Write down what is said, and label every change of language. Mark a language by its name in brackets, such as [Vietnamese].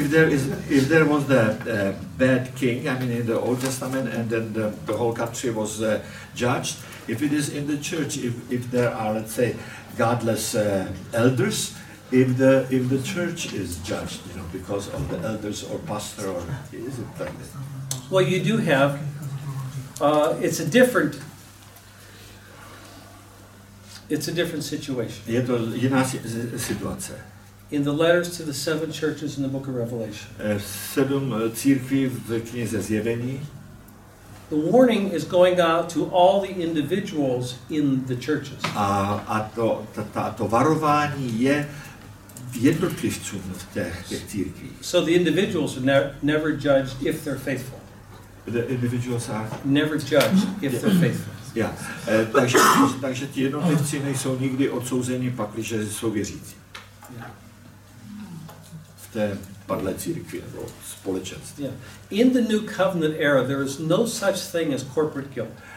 [English] If there was the bad king, I mean in the Old Testament, and then the whole country was judged, if it is in the church, if there are, let's say, godless elders, if the church is judged, you know, because of the elders or pastor, or is it like that? Well, you do have, it's a different situation. [Czech] Je to jiná situace. [English] In the letters to the seven churches in the book of Revelation. [Czech] Sedm církví v knize Zjevení. [English] The warning is going out to all the individuals in the churches. [Czech] A to varování je jednotlivcům v těch církvích. [English] So the individuals are never judged if they're faithful. The individuals are never judged if they're faithful. Yeah. [Czech] Takže ti jednotlivci nejsou nikdy odsouzeni, pakliže jsou věřící. Té padlé církvi nebo společenství. [English] Yeah. In the new covenant era there is no such thing as corporate guilt.